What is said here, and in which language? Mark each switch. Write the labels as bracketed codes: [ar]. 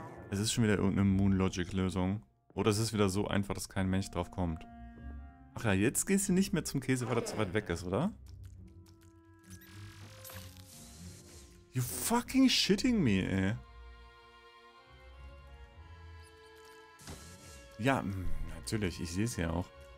[de] Es ist schon wieder irgendeine Moon-Logic-Lösung. Oder es ist wieder so einfach, dass kein Mensch drauf kommt. Ach ja, jetzt gehst du nicht mehr zum Käse, weil er zu weit weg ist, oder? [en] You fucking shitting me, ey. [de] Ja, natürlich, ich sehe es ja auch.